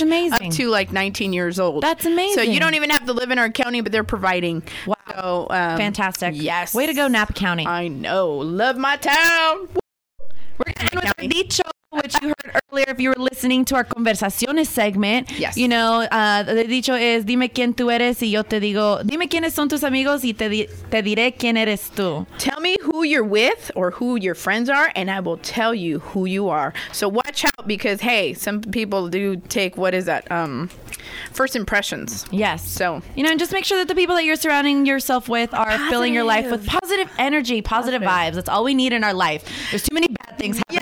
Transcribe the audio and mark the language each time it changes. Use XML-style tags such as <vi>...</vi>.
<en>That's amazing. Up to like 19 years old. That's amazing. So you don't even have to live in our county, but they're providing. Wow. So, fantastic. Yes. Way to go, Napa County. I know. Love my town. We're going to end with our dicho, which you heard earlier if you were listening to our conversaciones segment. Yes. You know, the dicho is,</en> <es>dime quién tú eres y yo te digo, dime quiénes son tus amigos y te diré quién eres tú.</es> <en>Tell me who you're with or who your friends are, and I will tell you who you are. So watch out because, hey, some people do take, what is that, first impressions. Yes. So, you know, and just make sure that the people that you're surrounding yourself with are positive. Filling your life with positive energy, positive vibes. That's all we need in our life. There's too many bad things happening.</en>